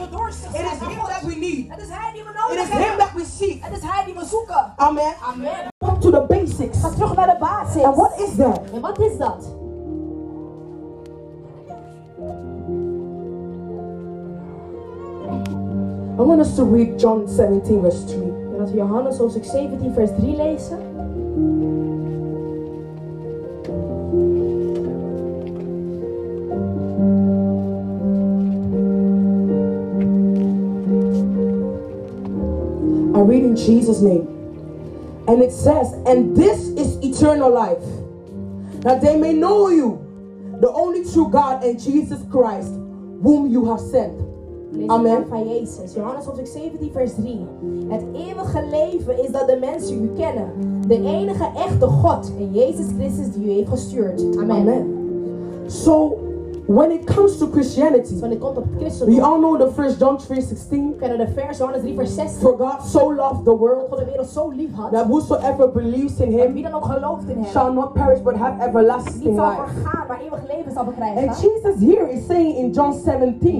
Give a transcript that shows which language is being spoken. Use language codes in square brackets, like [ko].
[en] It is Him that we need. It is Him that we seek. Amen. Amen. Back to the basics. [nl] Terug naar de basis. [en] And what is that? [nl] En wat is dat? [en] I want us to read John 17, verse 3. [nl] Laten we Johannes hoofdstuk 17, vers 3 lezen. [en] I read in Jesus' name. And it says, "And this is eternal life, that they may know you, the only true God, and Jesus Christ, whom you have sent." Amen. [nl] Van Jezus. Johannes hoofdstuk 17, vers 3. Het eeuwige leven is dat de mensen u kennen. De enige echte God en Jezus Christus die u heeft gestuurd. Amen. Amen. [en] So, when it comes to Christianity, when it comes to Christianity, we all know the first John 3:16. [nl] Kennen de vers Johannes 3 vers 16. [en] For God so loved the world, [nl] God de wereld zo lief had, [en] that whosoever believes in Him, [nl] wie dan ook gelooft in Hem, [en] shall not perish but have everlasting life. [nl] Niet zal vergaan, maar eeuwig leven zal verkrijgen. [en] And Jesus here is saying in John 17,